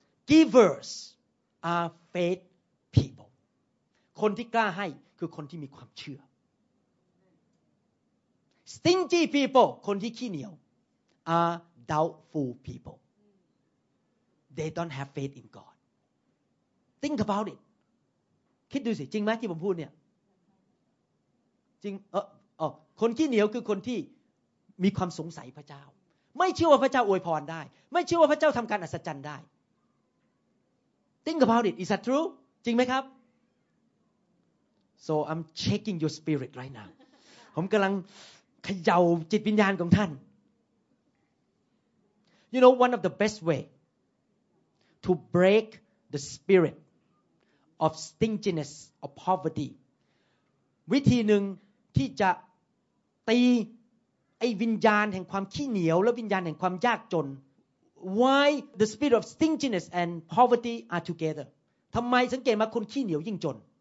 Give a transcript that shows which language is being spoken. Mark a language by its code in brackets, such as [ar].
[en] Givers are faith people [th] คนที่กล้าให้คือคนที่มีความเชื่อ [en] Stingy people [th] คนที่ขี้เหนียว [en] are doubtful people they don't have faith in God think about it [th] คิดดูสิจริงไหมที่ผมพูดเนี่ย จริงคนขี้เหนียวคือคนที่มีความสงสัยพระเจ้าไม่เชื่อว่าพระเจ้าอวยพรได้ไม่เชื่อว่าพระเจ้าทำการอัศจรรย์ได้ [en] Think about it. Is that true? [th] จริงไหมครับ [en] So I'm checking your spirit right now. [th] ผมกำลังเขย่าจิตวิญญาณของท่าน [en] You know one of the best way to break the spirit of stinginess of poverty [th] วิธีหนึ่งที่จะตีไอ้วิญญาณแห่งความขี้เหนียวและวิญญาณแห่งความยากจน [en] Why the spirit of stinginess and poverty are together [th] ทำไมสังเกตมาคนขี้เหนียวยิ่งจน